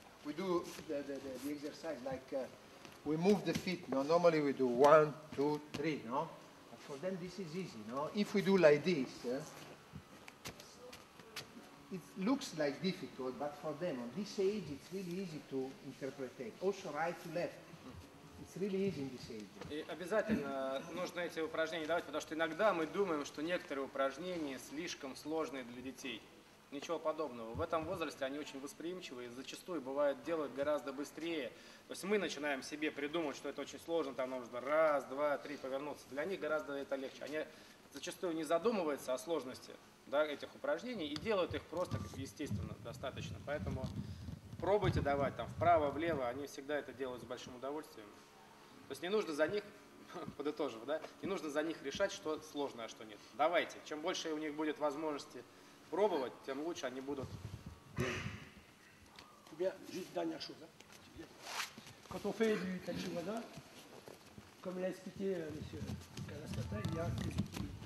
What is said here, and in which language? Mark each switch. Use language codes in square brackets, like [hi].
[en] We do the exercise like we move the feet. No, normally we do one, two, three. No, but for them, this is easy. No, if we do like this, it looks like difficult. But for them, on this age, it's really easy to interpret. Also, right to left. [ru] И обязательно нужно эти упражнения давать, потому что иногда мы думаем, что некоторые упражнения слишком сложные для детей. Ничего подобного. В этом возрасте они очень восприимчивы и зачастую бывают делают гораздо быстрее. То есть мы начинаем себе придумывать, что это очень сложно, там нужно раз, два, три повернуться. Для них гораздо это легче. Они зачастую не задумываются о сложности, да, этих упражнений и делают их просто естественно достаточно. Поэтому пробуйте давать там вправо, влево, они всегда это делают с большим удовольствием. То есть не нужно за них, подытожив, да, не нужно за них решать, что сложно, а что нет. Давайте. Чем больше у них будет возможности пробовать, тем лучше они будут. У тебя [fr] juste dernière chose, [ru] да? [fr] Quand on fait du tai chi wada, comme l'a expliqué monsieur Kalasata, il y a que ce qui